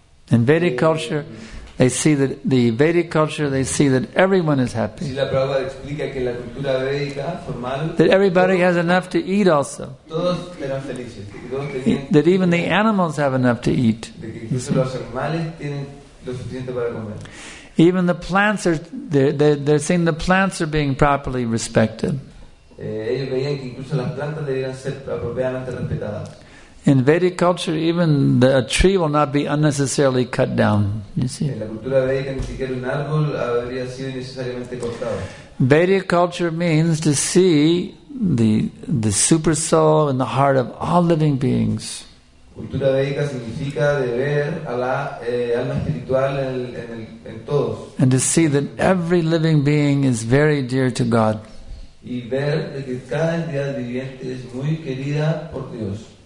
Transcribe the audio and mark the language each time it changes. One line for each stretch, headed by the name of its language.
English: In Vedic culture, they see that everyone is happy.
Spanish: Si la Prabhupada explica que la cultura védica formal,
English: that everybody has enough to eat also.
Spanish: Todos eran felices. Todos tenían,
English: that even the animals have enough to eat.
Spanish: De que incluso los animales tienen lo suficiente para comer.
English: Even the plants are, they're seeing the plants are being properly respected.
Spanish: Ellos veían que incluso las plantas deberían ser apropiadamente respetadas.
English: In Vedic culture, even a tree will not be unnecessarily cut down, you see.
Spanish: En la cultura védica, ni siquiera un árbol habría sido innecesariamente cortado.
English: Vedic culture means to see the super soul in the heart of all living beings.
Spanish: Cultura védica significa de ver a la alma espiritual en todos.
English: And to see that every living being is very dear to God.
Spanish: y ver de que cada entidad viviente es muy querida por Dios.